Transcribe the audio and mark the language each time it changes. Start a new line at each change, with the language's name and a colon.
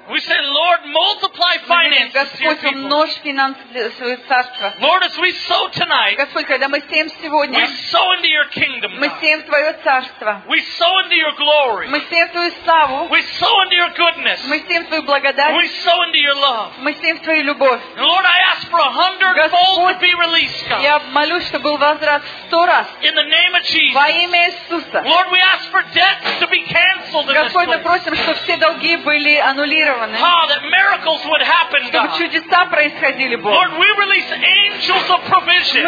English: We say, Lord, multiply finances.
Russian: Господь, умножь финансы для своего царства.
English: Lord, as we sow tonight.
Russian: Господь, когда мы сеем сегодня.
English: We sow into your kingdom.
Russian: Мы сеем в твое царство.
English: We sow into your glory.
Russian: Мы сеем в твою славу.
English: We sow into your goodness.
Russian: Мы сеем в твою благодать.
English: We sow into your love.
Russian: Мы сеем в твою любовь.
English: And Lord, I ask for 100-fold to be released, God.
Russian: Я молюсь, чтобы был возврат 100 раз.
English: In the name of Jesus.
Russian: Во имя Иисуса.
English: Lord, we ask for debts to be canceled.
Russian: Господь, мы просим, чтобы все долги были аннулированы.
English: That miracles would happen, God.
Russian: Чтобы чудеса происходили, Бог.
English: Lord, we release angels of provision.